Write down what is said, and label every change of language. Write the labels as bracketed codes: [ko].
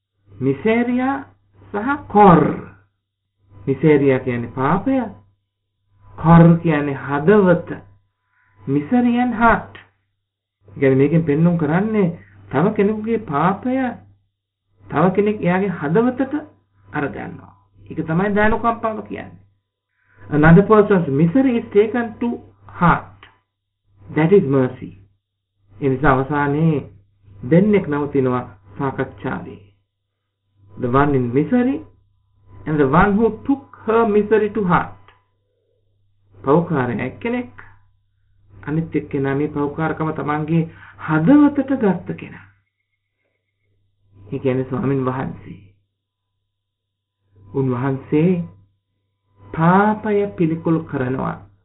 [si] මිසෙරියා සහ කොර්. මිසෙරියා කියන්නේ පාපය. කොර් කියන්නේ හදවත. [en] Miserian heart. [si] يعني මේකෙන් පෙන්නුම් කරන්නේ තව කෙනෙකුගේ පාපය තව කෙනෙක් එයාගේ හදවතට අරගන්නවා. ඒක තමයි දානුකම්පාව කියන්නේ. [en] Another person's misery is taken to heart. That is mercy. [si] එනිසා අවසානයේ දෙන්නෙක් නවතිනවා සාකච්ඡාවේ. [en] The one in misery and the one who took her misery to heart. [si] පෞකාරයෙක් එක්කෙනෙක් අනිත් එක්කෙනා මේ පෞකාරකම තමන්ගේ හදවතට ගත්ත කෙනා. ඒ කියන්නේ ස්වාමින් වහන්සේ. උන්වහන්සේ පාපය පිළිකුල් කරනවා.